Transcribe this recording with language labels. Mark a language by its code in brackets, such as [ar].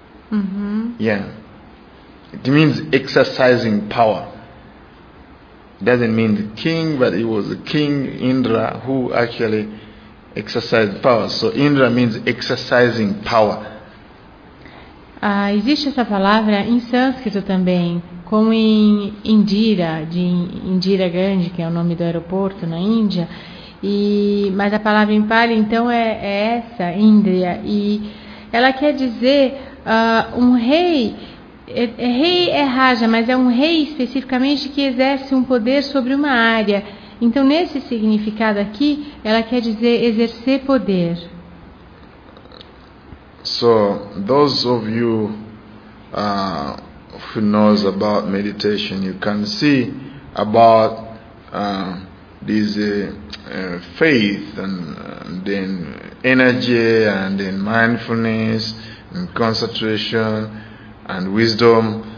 [en] Mm-hmm. Yeah. It means exercising power. It doesn't mean the king, but it was the king, Indra, who actually exercised power. So Indra means exercising power. [pt] Existe essa palavra em sânscrito também, como em Indira, de Indira Gandhi, que é o nome do aeroporto na Índia. Mas a palavra em Pali, então, é essa, Indriya. E ela quer dizer um rei, rei é Raja, mas é um rei especificamente que exerce um poder sobre uma área. Então, nesse significado aqui, ela quer dizer exercer poder. [en] So, those of you who knows about meditation, you can see about this faith and then energy and then mindfulness and concentration and wisdom.